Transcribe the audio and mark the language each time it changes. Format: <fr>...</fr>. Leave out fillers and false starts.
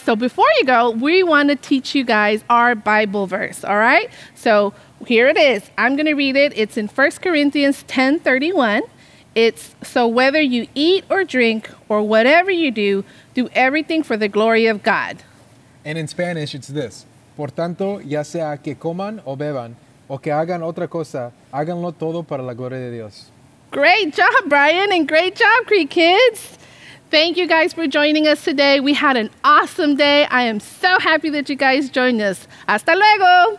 <en>So before you go, we want to teach you guys our Bible verse. All right. So here it is. I'm going to read it. It's in 1 Corinthians 10:31. It's, so whether you eat or drink or whatever you do, do everything for the glory of God. And in Spanish, it's this.</en> <es>Por tanto, ya sea que coman o beban o que hagan otra cosa, háganlo todo para la gloria de Dios.</es> <en>Great job, Brian, and great job, Creek Kids. Thank you guys for joining us today. We had an awesome day. I am so happy that you guys joined us.</en> <es>Hasta luego.</es>